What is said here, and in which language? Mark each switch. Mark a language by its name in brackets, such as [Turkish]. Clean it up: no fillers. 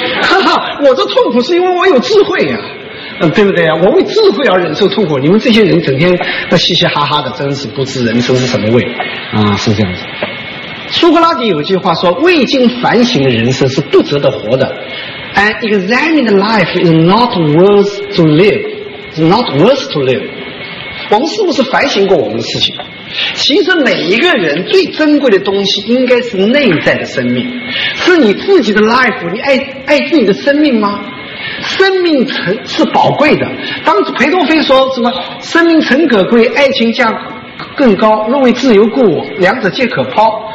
[Chinese] 哈哈，我这痛苦是因为我有智慧呀，对不对呀？我为智慧而忍受痛苦，你们这些人整天那嘻嘻哈哈的，真是不知人生是什么味啊！是这样子。苏格拉底有句话说：“未经反省的人生是不值得活的。” [English] An examined life is not worth to live. [Chinese] 我们是不是反省过我们的事情？其实每一个人最珍贵的东西应该是内在的生命，是你自己的 life。你爱自己的生命吗？生命是宝贵的。当裴多菲说什么生命诚可贵，爱情价更高，若为自由故我，两者皆可抛。